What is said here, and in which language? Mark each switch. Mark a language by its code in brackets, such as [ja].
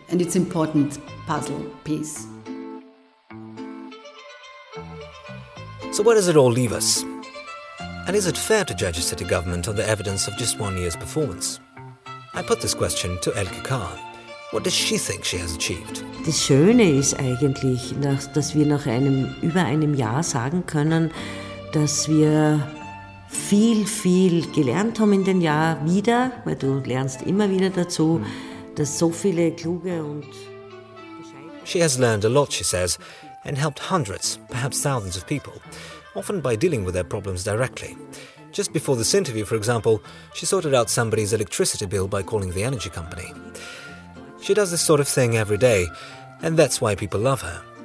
[en] And it's important puzzle piece. So where does it all leave us? And is it fair to judge a city government on the evidence of just 1 year's performance? I put this question to Elke Kahn. What does she think she has achieved? [de] Das Schöne ist eigentlich, dass wir nach über einem Jahr sagen können, dass wir viel, viel gelernt haben in dem Jahr wieder, weil du lernst immer wieder dazu, dass so viele kluge und [en] She has learned a lot, she says, and helped hundreds, perhaps thousands of people, often by dealing with their problems directly. Just before this interview, for example, she sorted out somebody's electricity bill by calling the energy company. She does this sort of thing every day, and that's why people love her.